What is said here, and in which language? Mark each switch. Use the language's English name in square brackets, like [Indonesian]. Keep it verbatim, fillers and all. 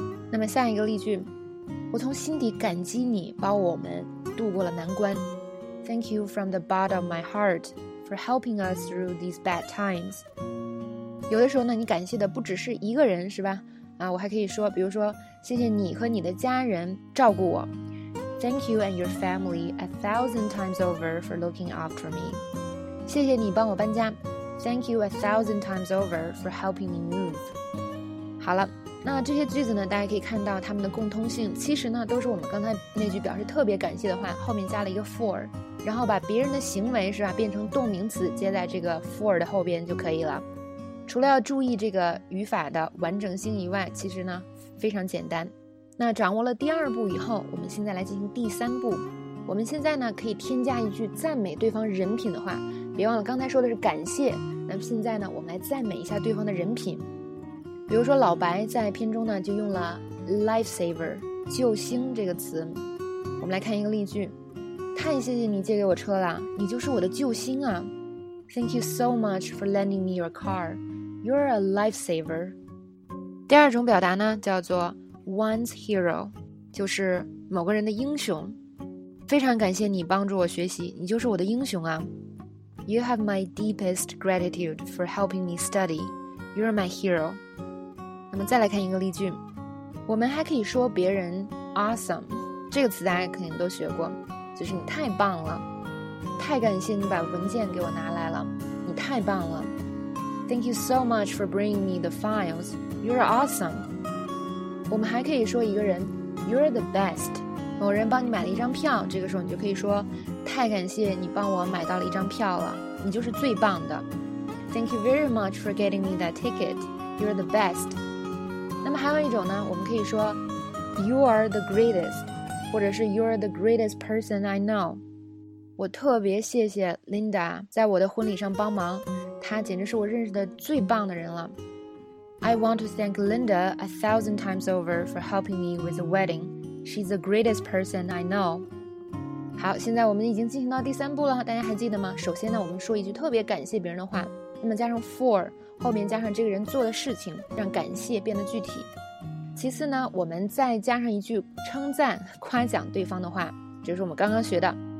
[Chinese] 那么下一个例句，我从心底感激你帮我们度过了难关。 [English] Thank you from the bottom of my heart for helping us through these bad times。 [Chinese] 有的时候呢，你感谢的不只是一个人，是吧？啊，我还可以说，比如说，谢谢你和你的家人照顾我。 [English] Thank you and your family a thousand times over for looking after me。 [Chinese] 谢谢你帮我搬家。 [English] Thank you a thousand times over for helping me move。 [Chinese] 好了，那这些句子呢，大家可以看到它们的共通性，其实呢都是我们刚才那句表示特别感谢的话后面加了一个 for， 然后把别人的行为是吧变成动名词接在这个 for 的后边就可以了。除了要注意这个语法的完整性以外，其实呢非常简单。那掌握了第二步以后，我们现在来进行第三步。我们现在呢可以添加一句赞美对方人品的话，别忘了刚才说的是感谢，那么现在呢我们来赞美一下对方的人品。比如说老白在片中呢就用了 lifesaver 救星这个词，我们来看一个例句，太谢谢你借给我车了，你就是我的救星啊。 [English] Thank you so much for lending me your car. You're a lifesaver. [Chinese] 第二种表达呢叫做one's hero， 就是某个人的英雄。非常感谢你帮助我学习，你就是我的英雄啊。 [English] You have my deepest gratitude for helping me study. You're my hero. [Chinese] 那么再来看一个例句，我们还可以说别人 awesome 这个词大家肯定都学过，就是你太棒了，太感谢你把文件给我拿来了，你太棒了。 [English] Thank you so much for bringing me the files. You're awesome. [Chinese] 我们还可以说一个人 [English] You're the best。 [Chinese] 某人帮你买了一张票，这个时候你就可以说，太感谢你帮我买到了一张票了，你就是最棒的。 [English] Thank you very much for getting me that ticket. You're the best. [Chinese] 那么还有一种呢，我们可以说 [English] You are the greatest， [Chinese] 或者是 [English] You're the greatest person I know。 [Chinese] 我特别谢谢 Linda 在我的婚礼上帮忙，她简直是我认识的最棒的人了。 [English] I want to thank Linda a thousand times over for helping me with the wedding. She's the greatest person I know. [Chinese] 好，现在我们已经进行到第三步了，大家还记得吗？首先呢，我们说一句特别感谢别人的话，那么加上 for， 后面加上这个人做的事情，让感谢变得具体。其次呢，我们再加上一句称赞、夸奖对方的话，这是我们刚刚学的。